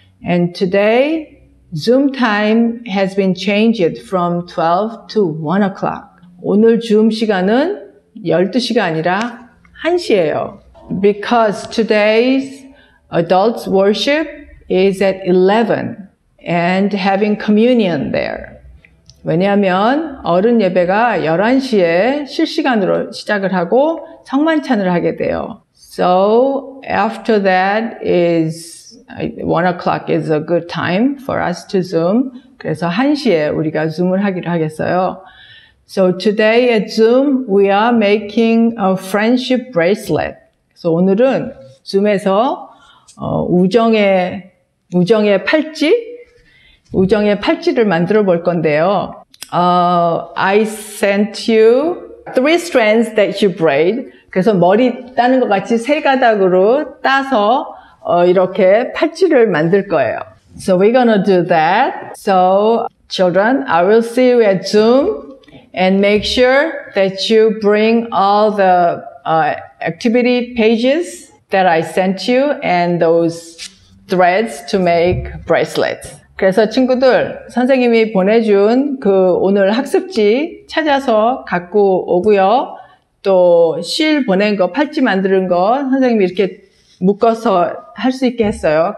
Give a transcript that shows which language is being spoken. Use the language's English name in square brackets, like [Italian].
[English] And today, Zoom time has been changed from 12 to 1 o'clock. [Korean] 오늘 Zoom 시간은 12시가 아니라 1시예요. [English] Because today's adults worship is at 11 and having communion there. [Korean] 왜냐하면 어른 예배가 11시에 실시간으로 시작을 하고 성만찬을 하게 돼요. [English] So after that is 1 o'clock is a good time for us to Zoom. [Korean] 그래서 1시에 우리가 Zoom을 하기로 하겠어요. [English] So today at Zoom we are making a friendship bracelet. [Korean] So 오늘은 Zoom에서 우정의 팔찌를 만들어 볼 건데요. [English] I sent you 3 strands that you braid. [Korean] 그래서 머리 따는 것 같이 세 가닥으로 따서 이렇게 팔찌를 만들 거예요. [English] So we're gonna do that. So children, I will see you at Zoom and make sure that you bring all the activity pages that I sent you and those threads to make bracelets. [Korean] 그래서 친구들, 선생님이 보내준 그 오늘 학습지 찾아서 갖고 오고요. 또 실 보낸 거, 팔찌 만드는 거 선생님이 이렇게 묶어서 할 수 있게 했어요.